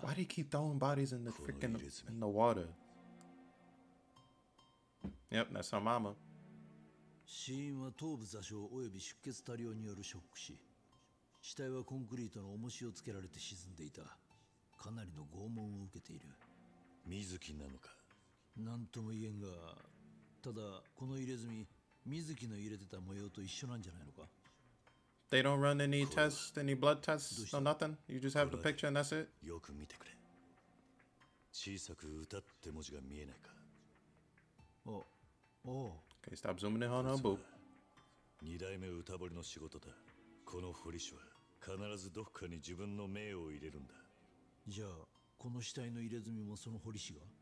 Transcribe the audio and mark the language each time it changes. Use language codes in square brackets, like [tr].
[en] Why do you keep throwing bodies in the freaking in the water? Yep, that's her mama. [ja] 死因は頭部挫傷および出血多量によるショック死。死体はコンクリートの重しをつけられて沈んでいた。かなりの拷問を受けている。水木なのか。何とも言えんが、ただこの入れ墨、水木の入れてた模様と一緒なんじゃないのか。 [en] They don't run any tests, any blood tests, no nothing. You just have the picture and that's it. [ja] よく見てくれ。小さく歌って文字が見えないか。お。 [en] Okay, stop zooming in on her boob. [ja] 二代目歌彫りの仕事だ。この彫り師は必ずどこかに自分の名を入れるんだ。じゃあこの死体の入れ墨もその彫り師が。